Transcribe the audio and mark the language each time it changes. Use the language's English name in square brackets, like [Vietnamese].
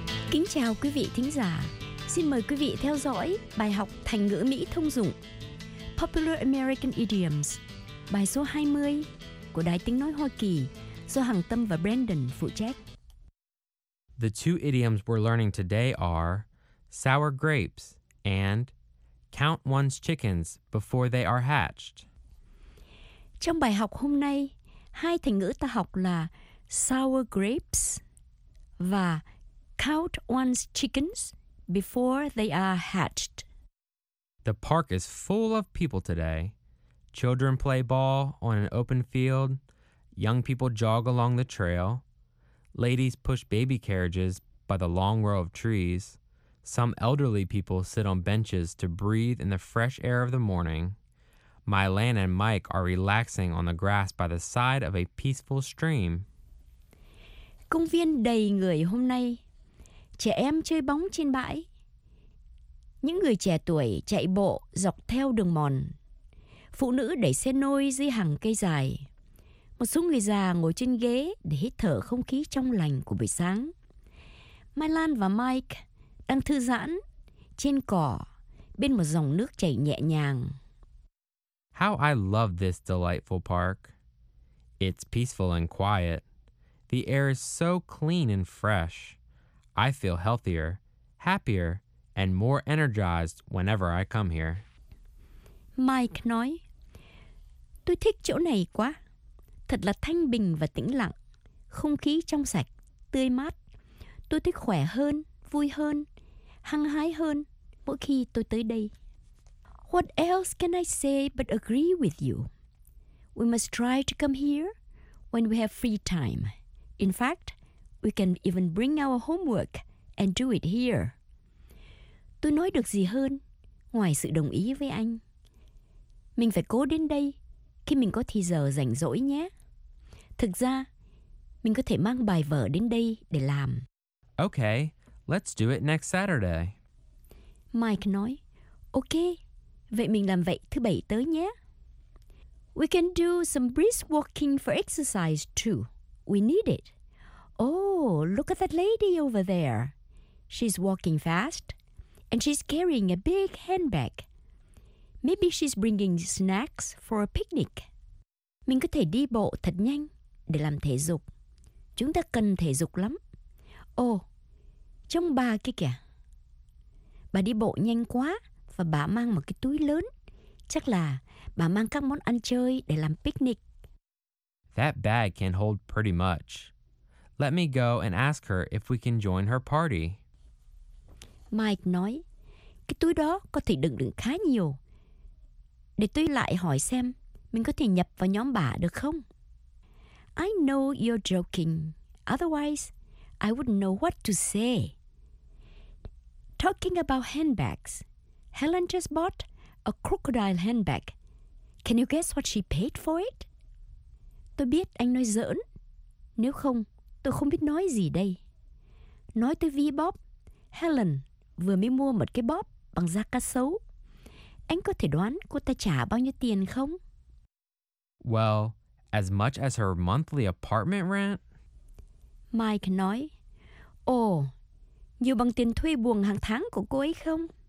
[Vietnamese] Kính chào quý vị thính giả. Xin mời quý vị theo dõi bài học thành ngữ Mỹ thông dụng Popular American Idioms, bài số 20 của Đài Tiếng Nói Hoa Kỳ do Hằng Tâm và Brandon phụ trách. [English] The two idioms we're learning today are sour grapes and count one's chickens before they are hatched. [Vietnamese] Trong bài học hôm nay, hai thành ngữ ta học là sour grapes và [English] count one's chickens before they are hatched. The park is full of people today. Children play ball on an open field. Young people jog along the trail. Ladies push baby carriages by the long row of trees. Some elderly people sit on benches to breathe in the fresh air of the morning. Mylan and Mike are relaxing on the grass by the side of a peaceful stream. [Vietnamese] Công viên đầy người hôm nay. Trẻ em chơi bóng trên bãi. Những người trẻ tuổi chạy bộ dọc theo đường mòn. Phụ nữ đẩy xe nôi dưới hàng cây dài. Một số người già ngồi trên ghế để hít thở không khí trong lành của buổi sáng. Mylan và Mike đang thư giãn trên cỏ bên một dòng nước chảy nhẹ nhàng. [English] How I love this delightful park. It's peaceful and quiet. The air is so clean and fresh. I feel healthier, happier, and more energized whenever I come here. [Vietnamese] Mike nói, tôi thích chỗ này quá. Thật là thanh bình và tĩnh lặng. Không khí trong sạch, tươi mát. Tôi thấy khỏe hơn, vui hơn, hăng hái hơn mỗi khi tôi tới đây. [English] What else can I say but agree with you? We must try to come here when we have free time. In fact, we can even bring our homework and do it here. [Vietnamese] Tôi nói được gì hơn ngoài sự đồng ý với anh? Mình phải cố đến đây khi mình có thì giờ rảnh rỗi nhé. Thực ra, mình có thể mang bài vở đến đây để làm. [English] Okay, let's do it next Saturday. [Vietnamese] Mike nói, okay, vậy mình làm vậy thứ bảy tới nhé. [English] We can do some brisk walking for exercise too. We need it. Oh, look at that lady over there. She's walking fast and she's carrying a big handbag. Maybe she's bringing snacks for a picnic. [Vietnamese] Mình có thể đi bộ thật nhanh để làm thể dục. chúng ta cần thể dục lắm. Ồ, trông bà kia kìa. Bà đi bộ nhanh quá và bà mang một cái túi lớn. Chắc là bà mang các món ăn chơi để làm picnic. [English] That bag can hold pretty much. Let me go and ask her if we can join her party. [Vietnamese] Mike nói, cái túi đó có thể đựng được khá nhiều. Để tôi lại hỏi xem mình có thể nhập vào nhóm bà được không? [English] I know you're joking. Otherwise, I wouldn't know what to say. Talking about handbags, Helen just bought a crocodile handbag. Can you guess what she paid for it? [Vietnamese] Tôi biết anh nói giỡn. Nếu không, tôi không biết nói gì đây. Nói tới Vi Bob, Helen vừa mới mua một cái bóp bằng da cá sấu. Anh có thể đoán cô ta trả bao nhiêu tiền không? [English] Well, as much as her monthly apartment rent. [Vietnamese] Mike nói, ồ, nhiều bằng tiền thuê buồng hàng tháng của cô ấy không?